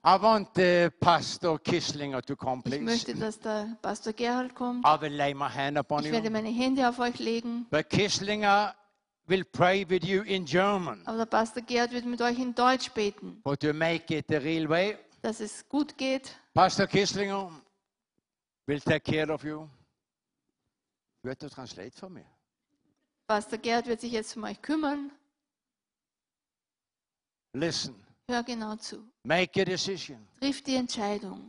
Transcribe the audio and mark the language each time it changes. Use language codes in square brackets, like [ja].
[en] I want the Pastor Kisslinger to come, please. [de] Ich möchte, dass der Pastor Gerhard kommt. [en] I will lay my hand upon [de] ich [en] you. [de] Ich werde meine Hände auf euch legen. [en] But Kisslinger will pray with you in German. [de] Aber der Pastor Gerhard wird mit euch in Deutsch beten. [en] But to make it the real way. [de] Dass es gut geht. [en] Pastor Kisslinger will take care of you. [de] Wird er translate von mir? Pastor Gerhard wird sich jetzt um euch kümmern. [en] Listen. [de] Hör genau zu. [en] Make a decision. [de] Triff die Entscheidung.